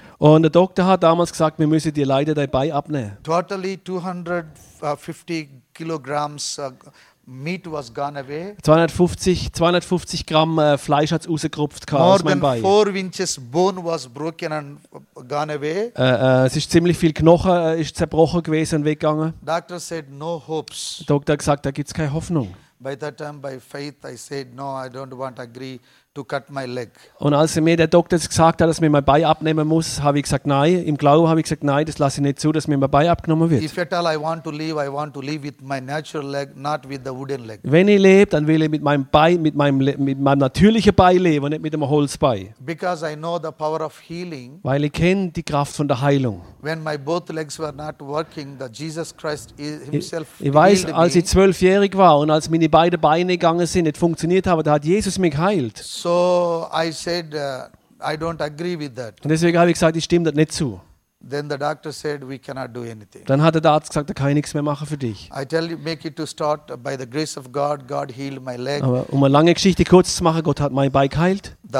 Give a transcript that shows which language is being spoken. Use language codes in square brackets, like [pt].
[de] Und der Doktor hat damals gesagt, wir müssen dir leider dein Bein abnehmen. [en] Totally 250 kilograms meat was gone away. [de] 250 Gramm Fleisch hat's rausgerupft aus meinem Bein. [en] More than 4 inches bone was broken and gone away. [de] Es ist ziemlich viel Knochen ist zerbrochen gewesen und weggegangen. [en] Doctor said no hopes. [de] Doktor gesagt, da gibt's keine Hoffnung. [en] By that time, by faith, I said, no, I don't want to agree to cut my leg. [de] Und als mir der Doktor gesagt hat, dass mir mein Bein abnehmen muss, habe ich gesagt nein. Im Glauben habe ich gesagt nein, das lasse ich nicht zu, dass mir mein Bein abgenommen wird. [en] If at all I want to live, I want to live with my natural leg, not with the wooden leg. [de] Wenn ich lebe, dann will ich mit meinem Bein, mit meinem natürlichen Bein leben, nicht mit dem Holzbein. [en] Because I know the power of healing. [de] Weil ich kenne die Kraft von der Heilung. [en] When my both legs were not working, the Jesus Christ Himself healed me. [de] Ich weiß, als ich 12-jährig war und als meine beiden Beine gegangen sind, nicht funktioniert haben, da hat Jesus mich geheilt. [en] So I said, I don't agree with that. [de] Und deswegen habe ich gesagt, ich stimme das nicht zu. [en] Then the doctor said, we cannot do anything. [de] Dann hat der Arzt gesagt, er kann nichts mehr machen für dich. [en] I tell you, make it to start by the grace of God. God healed my leg. [de] Aber um eine lange Geschichte kurz zu machen, Gott hat mein Bein geheilt.